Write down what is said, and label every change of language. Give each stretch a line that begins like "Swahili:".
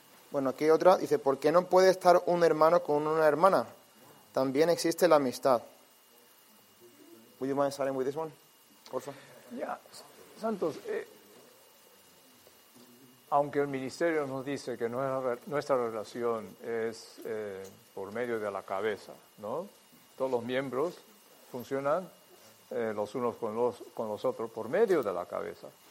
Spanish: Bueno, aquí otra dice: ¿por qué no puede estar un hermano con una hermana? También existe la amistad.
English: Would you mind starting with this one, porfa?
Spanish: Ya, santos, aunque el ministerio nos dice que nuestra relación es por medio de la cabeza, ¿no? Todos los miembros funcionan los unos con los otros por medio de la cabeza.